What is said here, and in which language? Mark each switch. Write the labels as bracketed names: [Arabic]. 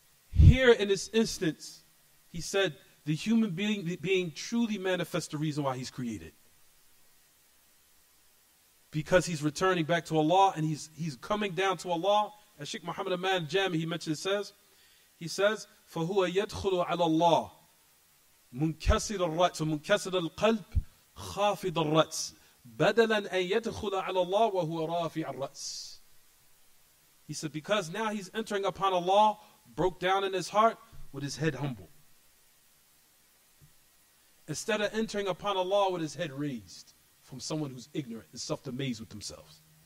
[English] Here in this instance, he said, the human being truly manifests the reason why he's created. Because he's returning back to Allah and he's coming down to Allah. As Sheikh Muhammad Aman Jami, he mentions, says, he says, [Arabic] فَهُوَ يَدْخُلُ عَلَى اللَّهِ مُنْكَسِرَ الرَّأْسُ مُنْكَسِرَ الْقَلْبِ خَافِضَ الرَّأْسِ بَدَلًا أَنْ يَدْخُلَ عَلَى اللَّهِ وَهُوَ رَافِعَ الرَّأْسِ. [English] He said, because now he's entering upon Allah, broke down in his heart, with his head humble. Instead of entering upon Allah with his head raised from someone who's ignorant and self-amazed with themselves.